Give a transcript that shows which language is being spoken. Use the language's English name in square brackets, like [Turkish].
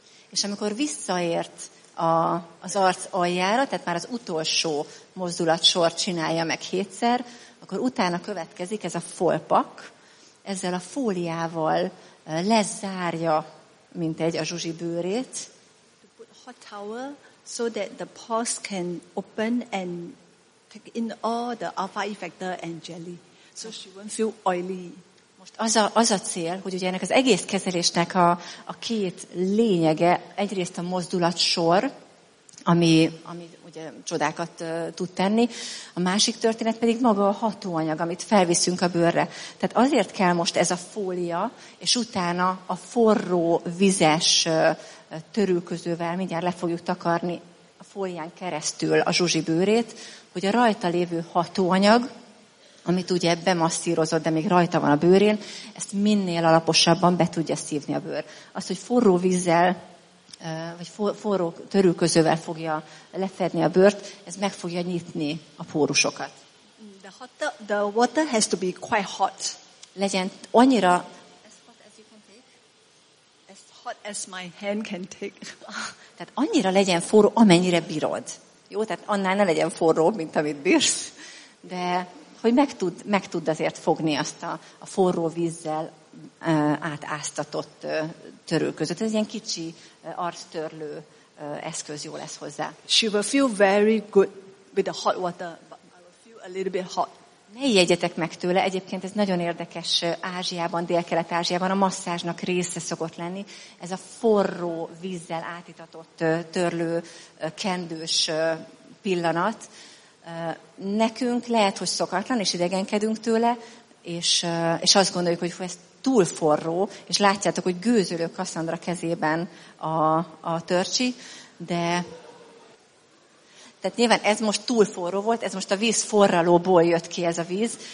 [Hungarian] És amikor visszaért az arc aljára, tehát már az utolsó mozdulatsort csinálja meg hétszer, akkor utána következik ez a folpak. Ezzel a fóliával lezárja, mint egy a zsuzsi bőrét. [English] Put hot towel so that the pores can open and take in all the alpha effector and jelly. So she won't feel oily. [Hungarian] Most az a cél, hogy ugye ennek az egész kezelésnek a két lényege, egyrészt a mozdulatsor, ami ugye csodákat tud tenni, a másik történet pedig maga a hatóanyag, amit felviszünk a bőrre. Tehát azért kell most ez a fólia, és utána a forró, vizes törülközővel mindjárt le fogjuk takarni a fólián keresztül a zsuzsi bőrét, hogy a rajta lévő hatóanyag, amit ugye bemasszírozott, de még rajta van a bőrén, ezt minél alaposabban be tudja szívni a bőr. Azt, hogy forró vízzel, vagy forró törülközővel fogja lefedni a bőrt, ez meg fogja nyitni a pórusokat. [English] The water has to be quite hot. [Hungarian] Legyen annyira... [English] As hot as you can take. As hot as my hand can take. [Hungarian] Tehát annyira legyen forró, amennyire bírod. Jó, tehát annál ne legyen forró, mint amit bírsz. De... hogy meg tud azért fogni azt a forró vízzel átáztatott törülközőt. Ez ilyen kicsi arctörlő eszköz jó lesz hozzá. [English] She will feel very good with the hot water, but I will feel a little bit hot. [Hungarian] Ne ijedjetek meg tőle, egyébként ez nagyon érdekes Ázsiában, Dél-Kelet-Ázsiában a masszázsnak része szokott lenni. Ez a forró vízzel átitatott törlő kendős pillanat. Nekünk lehet, hogy szokatlan, és idegenkedünk tőle, és azt gondoljuk, hogy ez túl forró, és látjátok, hogy gőzölő Kasszandra kezében a törcsi, de tehát nyilván ez most túl forró volt, ez most a víz forralóból jött ki ez a víz.